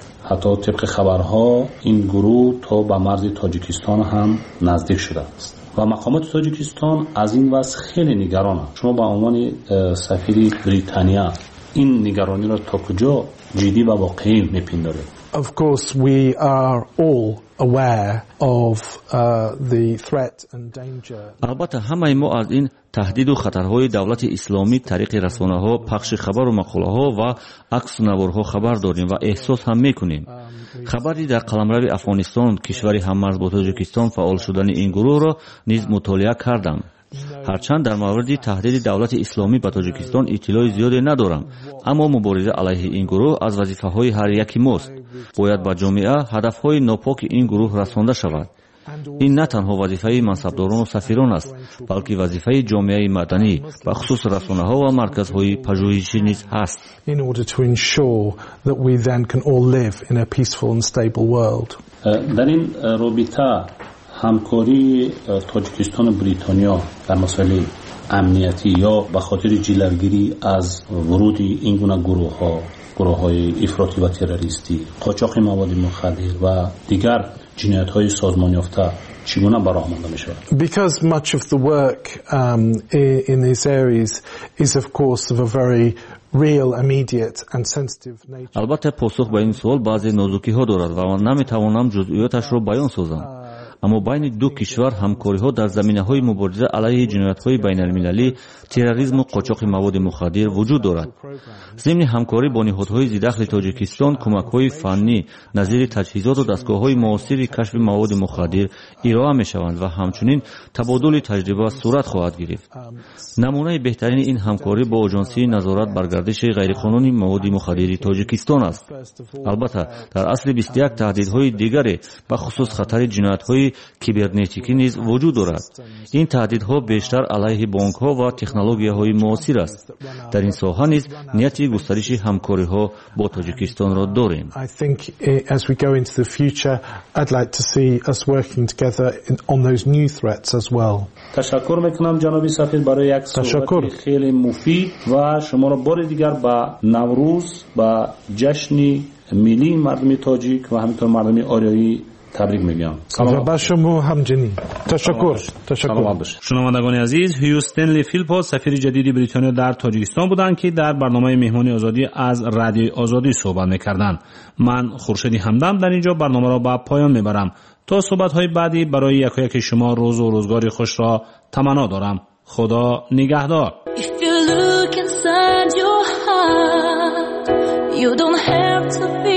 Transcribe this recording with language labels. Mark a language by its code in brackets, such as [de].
[fa] حتی طبق خبرها این گروه تا به مرز تاجیکستان هم نزدیک شده است و مقامات تاجیکستان از این وضع خیلی نگران هست. شما به عنوان سفیر بریتانیا این نگرانی را تا کجا جدی و واقعی می پندارید؟ [en] Of course we are all aware of the threat and danger. [fa] البته همه ما از این تهدید و خطرهای دولت اسلامی طریق رسانه ها، پخش خبر و مقاله ها و عکس نوار ها خبر داریم و احساس هم میکنیم. خبری در قلمرو افغانستان کشوری هممرز با تاجیکستان فعال شدن این گروه را نیز مطالعه کردم. هرچند در مورد تهدید دولت اسلامی به تاجیکستان اطلاع زیاده ندارم، اما مبارزه علیه این گروه از وظیفه های هر یکی ماست. باید با جامعه هدف های ناپاک این گروه رسانده شود. این نه تنها وظیفه منصبداران و سفیران است، بلکه وظیفه جامعه مدنی و خصوص رسانه ها و مرکز های پژوهشی نیز هست. [en] In order to ensure that we then can all live in a peaceful and stable world. [fa] در این رابطه همکاری تاجیکستان و بریتانیا در مسائل امنیتی یا به خاطر جلوگیری از ورود این گونه گروه های افراطی و تروریستی، قاچاق مواد مخدر و دیگر جنایت های سازمان یافته چگونه براه مانده می شود؟ [en] Because much of the work in these areas is of course of a very real immediate and sensitive nature. [fa] البته پاسخ به این سوال بعضی نازکی ها دارد و من نمی توانم جزئیاتش را بیان سازم، اما بین دو کشور همکاری ها در زمینه های مبارزه علیه جنایت های بین المللی، تروریسم و قاچاق مواد مخدر وجود دارد. ضمن همکاری با نهادهای ذی‌دخل تاجیکستان کمک های فنی نظیر تجهیزات و دستگاه های معاصر کشف مواد مخدر ارائه می شوند و همچنین تبادل تجربه صورت خواهد گرفت. نمونه بهترین این همکاری با آژانسی نظارت بر گردش غیرقانونی مواد مخدر تاجیکستان است. البته در اصل 21 تهدیدهای دیگر به خصوص خطر جنایت کیبرنتیکی نیز وجود دارد. این تهدیدها بیشتر علیه بانک ها و تکنولوژی های معاصر است. در این ساحه نیز نیت گسترش همکاری ها با تاجیکستان را داریم. [en] I think as we go into the future I'd like to see us working together on those new threats as well. [fa] تشکر میکنم جناب سفیر برای یک صحبت خیلی مفید و شما را بار دیگر با نوروز با جشن ملی مردم تاجیک و همینطور مردم آریایی تبریک میگم. سلام به شما همجنین. تشکر. شنوندگان عزیز، هیو استنلی فیلپو سفیر جدید بریتانیا در تاجیکستان بودند که در برنامه مهمانی آزادی از رادیو آزادی صحبت میکردند. من خورشید همدم در اینجا برنامه را به پایان میبرم. تا صحبت های بعدی برای یک و یک شما روز و روزگاری خوش را تمنا دارم. خدا نگهدار. [en] If you look inside your heart, you don't have to...